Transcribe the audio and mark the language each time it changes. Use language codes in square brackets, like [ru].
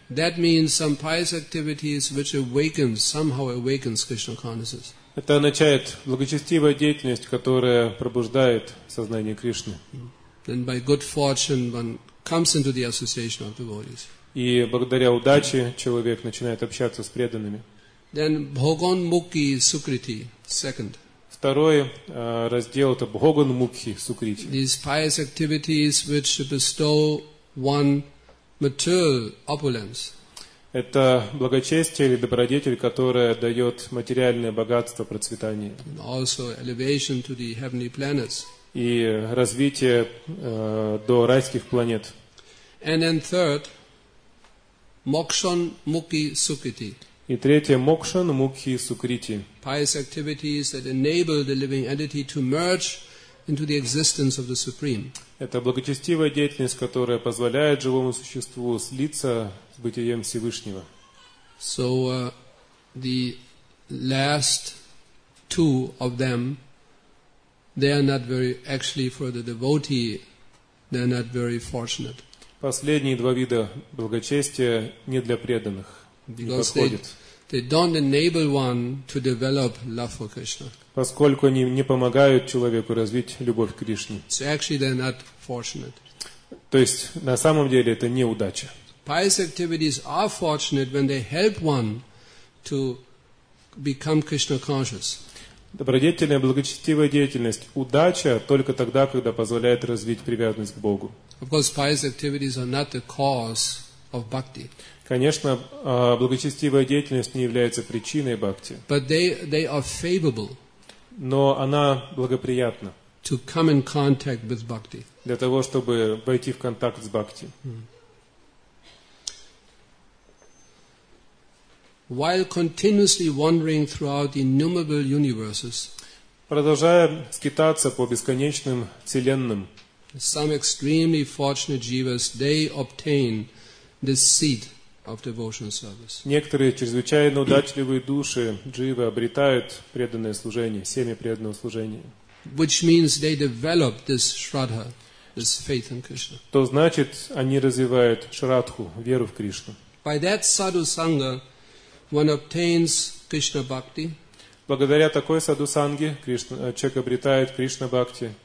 [en] That means some pious activities which awakens, somehow awakens Krishna consciousness. [ru] Это означает благочестивая деятельность, которая пробуждает сознание Кришны. [en] Then by good fortune one comes into the association of devotees. [ru] И благодаря удаче человек начинает общаться с преданными. [en] Then bhogon mukhi sukriti, second. [ru] Второй раздел это bhogon mukhi sukriti. [en] These pious activities which bestow one material opulence. [ru] Это благочестие или добродетель, которое дает материальное богатство, процветание. [en] And also elevation to the heavenly planets. [ru] И развитие до райских планет. [en] And then third, mokshan mukhi sukriti. [ru] И третье, mokshan mukhi sukriti. [en] Pious activities that enable the living entity to merge into the existence of the Supreme. [ru] Это благочестивая деятельность, которая позволяет живому существу слиться с бытием Всевышнего. [en] So the last two of them, they are not very, actually for the devotee, they are not very fortunate. [ru] Последние два вида благочестия не для преданных, не подходят. [en] They don't enable one to develop love for Krishna. [ru] Поскольку они не помогают человеку развить любовь к Кришне. [en] So actually they are not fortunate. [ru] То есть на самом деле это неудача. [en] Pious activities are fortunate when they help one to become Krishna conscious. [ru] Добродетельная благочестивая деятельность – удача только тогда, когда позволяет развить привязанность к Богу. [en] Of course, pious activities are not the cause of bhakti. [ru] Конечно, благочестивая деятельность не является причиной бхакти. [en] But they are favorable. [ru] Но она благоприятна. [en] To come in contact with bhakti. [ru] Для того, чтобы войти в контакт с бхакти. [en] While continuously wandering throughout innumerable universes, [ru] продолжая скитаться по бесконечным вселенным, [en] some extremely fortunate jivas they obtain the seed of devotional service. [ru] Некоторые чрезвычайно удачливые души дживы обретают преданное служение, семя преданного служения, [en] which means they develop this shraddha, this faith in Krishna. [ru] То значит, они развивают шрадху, веру в Кришну. [en] By that sadhu sangha one obtains Krishna bhakti. [ru] Благодаря такой саду санге человек обретает Кришна бхакти.